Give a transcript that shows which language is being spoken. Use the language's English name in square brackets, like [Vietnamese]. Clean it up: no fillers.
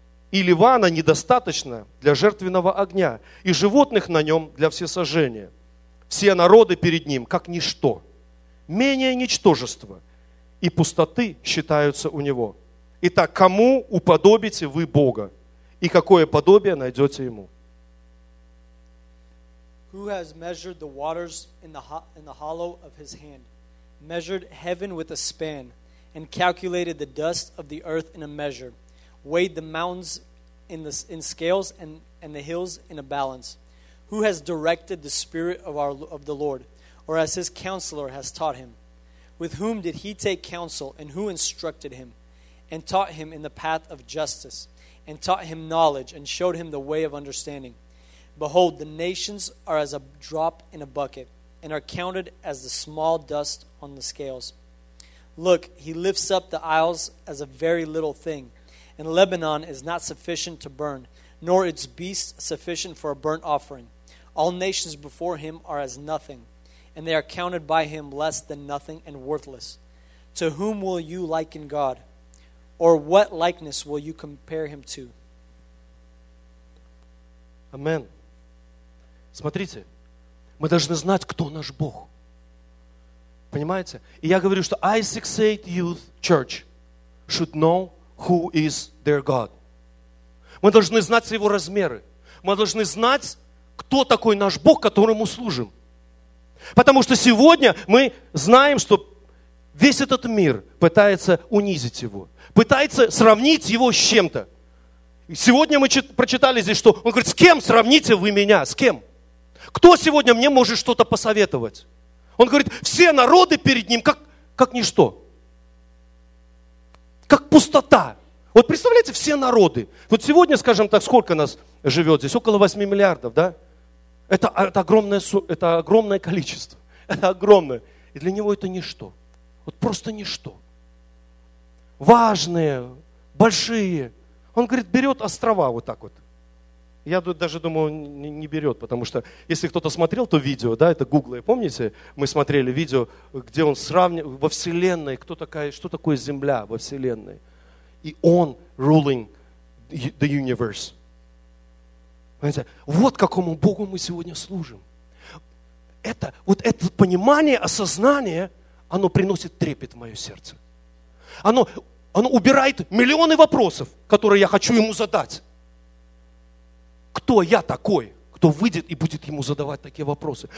[Russian] И Ливана недостаточно для жертвенного огня, и животных на нем для всесожжения. Все народы перед ним, как ничто, менее ничтожество, и пустоты считаются у него. Итак, кому уподобите вы Бога, и какое подобие найдете ему?» [English] Who has measured the waters in the hollow of his hand, measured heaven with a span, and calculated the dust of the earth in a measure, weighed the mountains in scales and the hills in a balance? Who has directed the spirit of the Lord, or as his counselor has taught him? With whom did he take counsel, and who instructed him, and taught him in the path of justice, and taught him knowledge, and showed him the way of understanding? Behold, the nations are as a drop in a bucket, and are counted as the small dust on the scales. Look, he lifts up the isles as a very little thing, and Lebanon is not sufficient to burn, nor its beasts sufficient for a burnt offering. All nations before him are as nothing, and they are counted by him less than nothing and worthless. To whom will you liken God? Or what likeness will you compare him to? Amen. [Russian] Смотрите, мы должны знать, кто наш Бог. Понимаете? И я говорю, что [English] i68 Youth Church should know who is their God. [Russian] Мы должны знать его размеры. Мы должны знать, кто такой наш Бог, которому служим. Потому что сегодня мы знаем, что весь этот мир пытается унизить его, пытается сравнить его с чем-то. Сегодня мы прочитали здесь, что он говорит: с кем сравните вы меня, с кем? Кто сегодня мне может что-то посоветовать? Он говорит: все народы перед ним как ничто. Как пустота. Вот представляете, все народы. Вот сегодня, скажем так, сколько нас живет здесь? Около 8 миллиардов, да? Это огромное количество. Это огромное. И для него это ничто. Вот просто ничто. Важные, большие. Он говорит, берет острова вот так вот. Я даже думаю, он не берет, потому что если кто-то смотрел то видео, да, это Google, помните, мы смотрели видео, где он сравнивает во Вселенной, кто такая, что такое Земля во Вселенной. И он [English] ruling the universe. [Russian] Понимаете? Вот какому Богу мы сегодня служим. Это, вот это понимание, осознание, оно приносит трепет в мое сердце. Оно убирает миллионы вопросов, которые я хочу ему задать. Кто я такой, кто выйдет и будет ему задавать такие вопросы?